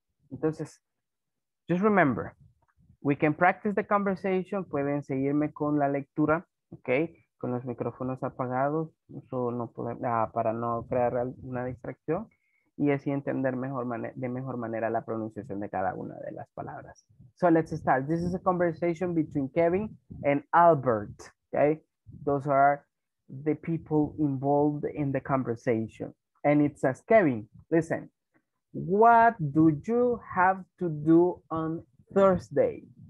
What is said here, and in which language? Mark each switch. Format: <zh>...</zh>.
<en>Entonces, just remember, we can practice the conversation.</en> <es>Pueden seguirme con la lectura, okay? Con los micrófonos apagados, eso no poder, para no crear una distracción y así entender mejor de mejor manera la pronunciación de cada una de las palabras.</es> <en>So let's start. This is a conversation between Kevin and Albert. Okay, those are the people involved in the conversation, and it says, Kevin, listen. What do you have to do on Thursday?</en>